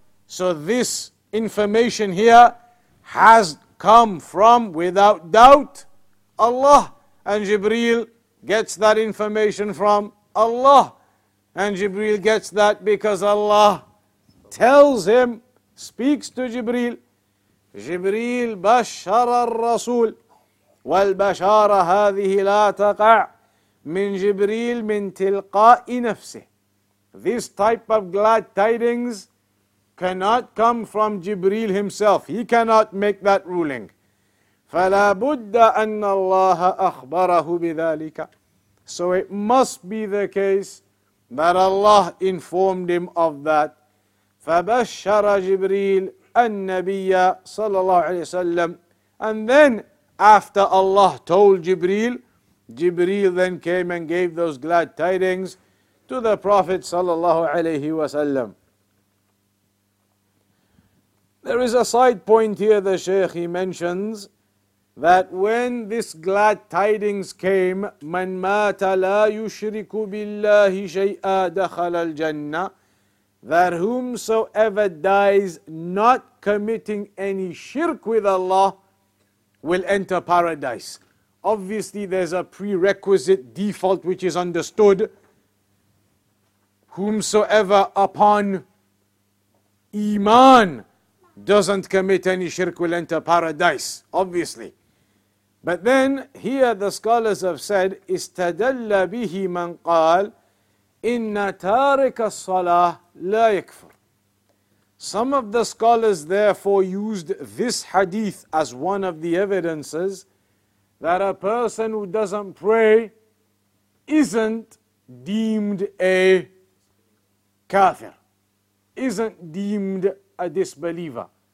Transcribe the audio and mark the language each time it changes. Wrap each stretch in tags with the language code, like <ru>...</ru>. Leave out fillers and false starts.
<en>So this information here has come from, without doubt, Allah. And Jibreel gets that information from Allah. And Jibreel gets that because Allah tells him, speaks to Jibreel.</en> <ar>Jibreel بشر الرسول والبشارة هذه لا تقع من جبريل من تلقاء نفسه.</ar> <en>This type of glad tidings cannot come from Jibreel himself. He cannot make that ruling.</en> <ar>فلا بد أن الله أخبره بذلك.</ar> <en>So it must be the case that Allah informed him of that.</en> <ar>فبشر جبريل النبي صلى الله عليه وسلم.</ar> <en>And then after Allah told Jibreel, Jibreel then came and gave those glad tidings to the Prophet صلى الله عليه وسلم. There is a side point here the Shaykh he mentions, that when this glad tidings came,</en> <ar>من مات لا يشرك بالله شيئا دخل الجنة,</ar> <en>that whomsoever dies not committing any shirk with Allah will enter paradise. Obviously, there's a prerequisite default which is understood. Whomsoever upon iman doesn't commit any shirk will enter paradise, obviously. But then, here the scholars have said,</en> <ar>استدلَّ بِهِ مَنْ قَالَ إِنَّ تَارِكَ الصَّلَاةِ لَا يَكْفُرُ.</ar> <en>Some of the scholars therefore used this hadith as one of the evidences that a person who doesn't pray isn't deemed a kafir, isn't deemed a disbeliever.</en>